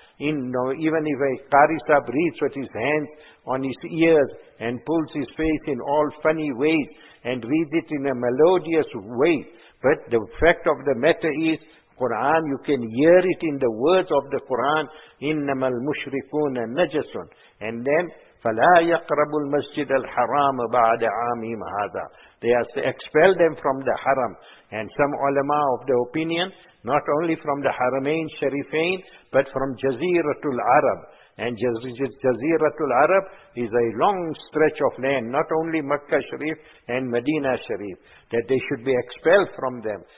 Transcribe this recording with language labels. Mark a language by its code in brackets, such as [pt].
[en] Even if a Qari Sahib reads with his hands on his ears and pulls his face in all funny ways and reads it in a melodious way. But the fact of the matter is, Quran, you can hear it in the words of the Quran, [ar] إِنَّمَا الْمُشْرِكُونَ najasun. And then, فَلَا يَقْرَبُ الْمَسْجِدَ الْحَرَامَ بَعْدَ عَامِهِمْ هَذَا. [en] They have expelled them from the haram. And some ulama of the opinion, not only from the Haramain Sharifain, but from Jaziratul Arab. And Jaziratul Arab is a long stretch of land, not only Makkah Sharif and Medina Sharif, that they should be expelled from them.